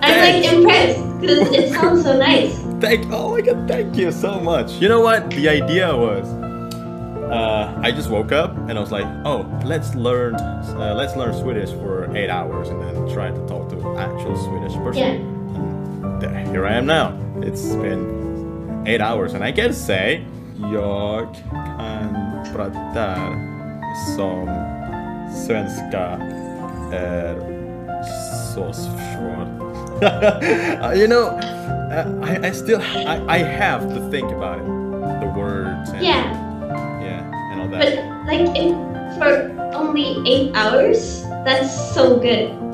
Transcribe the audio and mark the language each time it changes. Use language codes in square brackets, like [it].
[en] I'm like impressed because it sounds so nice. Thank you so much. You know what the idea was? I just woke up and I was like, oh, let's learn Swedish for 8 hours and then try to talk to an actual Swedish person. Yeah. And here I am now. It's been 8 hours and I can say, [sv] jag kan prata som svenska är så svårt. [en] You know, I still have to think about it, the words. And yeah. That. But like for only 8 hours, that's so good.